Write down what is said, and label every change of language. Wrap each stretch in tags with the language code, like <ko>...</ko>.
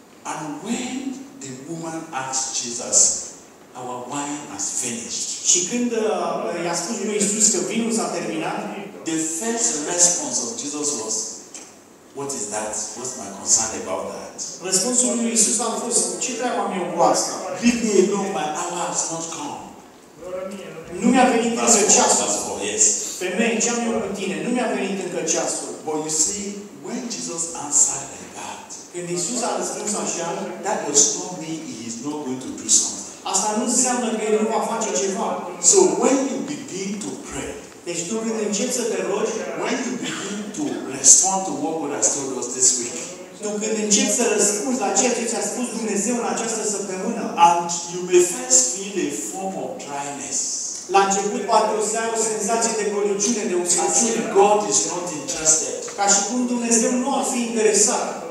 <en>And when the woman asked Jesus, our wine has finished.</en> <ro>Și când i-a spus lui Iisus că vinul s-a terminat,</ro> <en>the first response of Jesus was, what is that? What's my concern about that?</en> <ro>Răspunsul lui Iisus a fost, ce treabă am eu cu asta?</ro> <en>Leave me alone, my hour has not come.</en> <ro>Nu mi-a venit încă ceasul.</ro> <en>Four, yes.</en> <ro>Femeie, ce am eu cu tine? Nu mi-a venit încă ceasul.</ro> <en>But you see, when Jesus answered like that,</en> <ro>când Iisus a răspuns așa,</ro> <en>that will stop me, he is not going to do something.</en> <ro>Asta nu înseamnă că el nu va face ceva.</ro> <en>So when you begin to pray,</en> <ro>deci tu când începi să te rogi,</ro> <en>when you begin to respond to what God has told us this week,</en> <ro>tu când începi să răspunzi la ceea ce ți-a spus Dumnezeu în această săptămână,</ro> <en>and you may first feel a form of dryness,</en> <ro>la început poate o să ai o senzație de goliciune, de</ro> <en>usație, God is not interested,</en> <ro>ca și cum Dumnezeu nu ar fi interesat.</ro>